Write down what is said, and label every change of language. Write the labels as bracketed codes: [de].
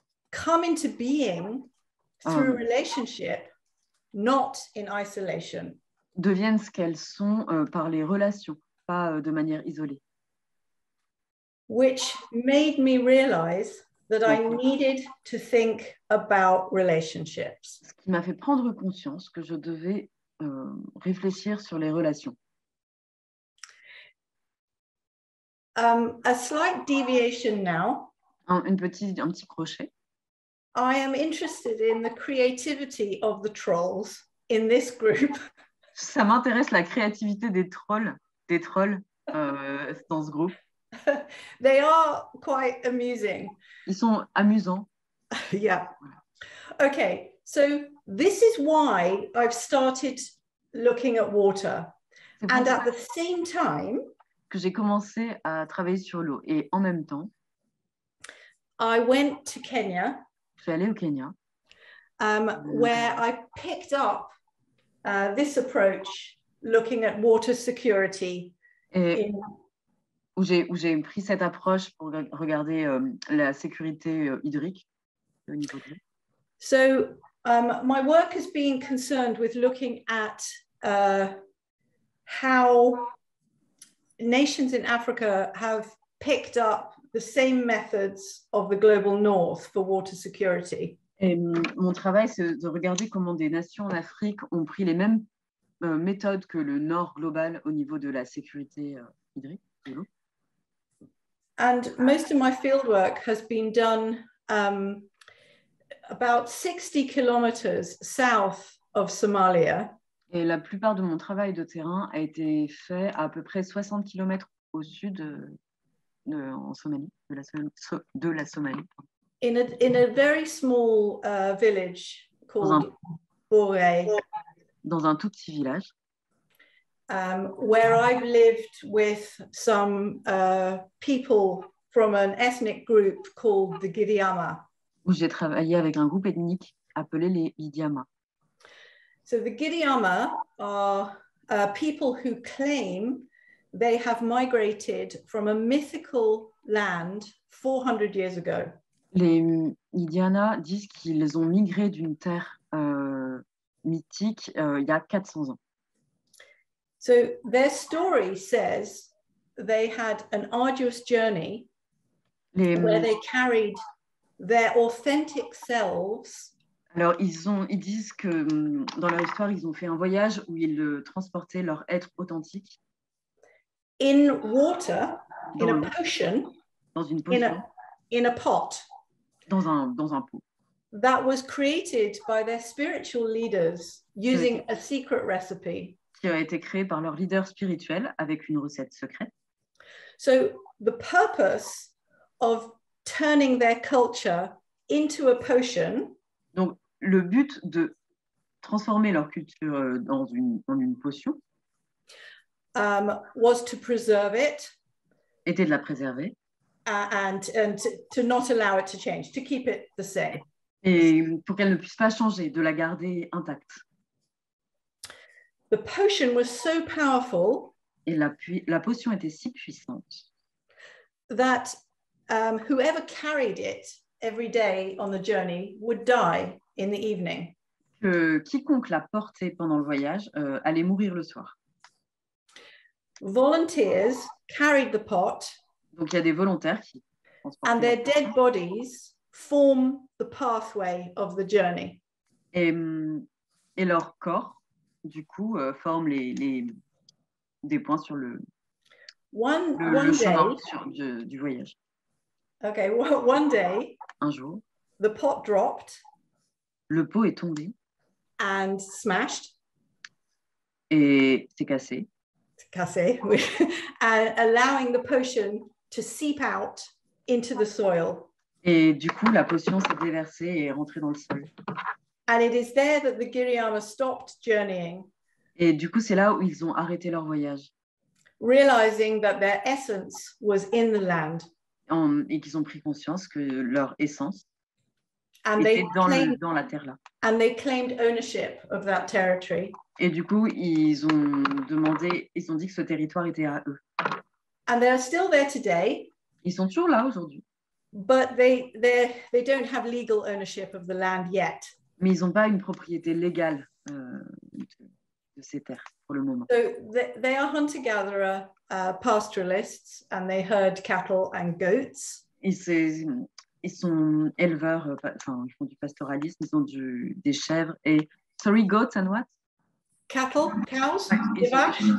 [en] come into being through relationship, not in isolation. [fr] Deviennent ce qu'elles sont par les relations, pas de manière isolée. [en] Which made me realize that I needed to think about relationships. [fr] Ce qui m'a fait prendre conscience que je devais réfléchir sur les relations. [en] A slight deviation now. [fr] Un petit crochet. [en] I am interested in the creativity of the trolls in this group. [fr] Ça m'intéresse la créativité des trolls dans ce groupe. [en] They are quite amusing. [fr] Ils sont amusants. [en] Yeah. Okay. So this is why I've started looking at water. And at the same time, [fr] que j'ai commencé à travailler sur l'eau. Et en même temps, [en] I went to Kenya, [fr] je suis allée au Kenya, [en] where I picked up this approach, looking at water security. [fr] Où j'ai pris cette approche pour regarder la sécurité hydrique. [en] So, my work has been concerned with looking at how nations in Africa have picked up the same methods of the global north for water security. [fr] Et mon travail, c'est de regarder comment des nations en Afrique ont pris les mêmes méthodes que le nord global au niveau de la sécurité hydrique de l'eau. [en] And most of my fieldwork has been done about 60 kilometers south of Somalia. [fr] Et la plupart de mon travail de terrain a été fait à peu près 60 km au sud de la Somalie. [en] In a very small village called Bore. [fr] Dans un tout petit village. [en] Where I've lived with some people from an ethnic group called the Giriama. [fr] Où j'ai travaillé avec un groupe ethnique appelé les Idiama. [en] So the Giriama are people who claim they have migrated from a mythical land 400 years ago. [fr] Les Indiana disent qu'ils ont migré d'une terre mythique il y a 400 ans. [en] So their story says they had an arduous journey where they carried their authentic selves. [fr] Alors ils disent que dans leur histoire ils ont fait un voyage où ils transportaient leur être authentique. [en] In water, in a potion, [fr] dans une potion, [en] in a pot, [fr] dans un pot. [en] That was created by their spiritual leaders using a secret recipe. [fr] Qui a été créé par leur leader spirituel avec une recette secrète. [en] So the purpose of turning their culture into a potion. [fr] Donc le but de transformer leur culture dans une potion. [en] Was to preserve it. [fr] Était de la préserver. [en] And to not allow it to change, to keep it the same. [fr] Et pour qu'elle ne puisse pas changer, de la garder intacte. [en] The potion was so powerful. [fr] Et la potion était si puissante. [en] That whoever carried it every day on the journey would die in the evening. [fr] Que quiconque la portait pendant le voyage allait mourir le soir. [en] Volunteers carried the pot. [fr] Donc il y a des volontaires qui transportaient. [en] And their dead bodies form the pathway of the journey. [fr] Et leur corps, du coup, forme des points sur le chemin [en] day, [fr] du voyage. [en] Okay, one day. [fr] Un jour. [en] The pot dropped. [fr] Le pot est tombé. [en] And smashed. [fr] Et c'est cassé. Cassé, oui. [en] And allowing the potion to seep out into the soil. [fr] Et du coup, la potion s'est déversée et est rentrée dans le sol. [en] And it is there that the Giriyama stopped journeying. [fr] Et du coup, c'est là où ils ont arrêté leur voyage. [en] Realizing that their essence was in the land. [fr] Et qu'ils ont pris conscience que leur essence était dans la terre là. [en] And they claimed ownership of that territory. [fr] Et du coup, ils ont dit que ce territoire était à eux. [en] And they are still there today. [fr] Ils sont toujours là aujourd'hui. [en] But they don't have legal ownership of the land yet. [fr] Mais ils n'ont pas une propriété légale de ces terres pour le moment. [en] So they are hunter-gatherer pastoralists and they herd cattle and goats. [fr] Ils sont éleveurs, ils font du pastoralisme, ils ont des chèvres et [en] sorry, goats and what? Cattle, cows, [fr] des vaches.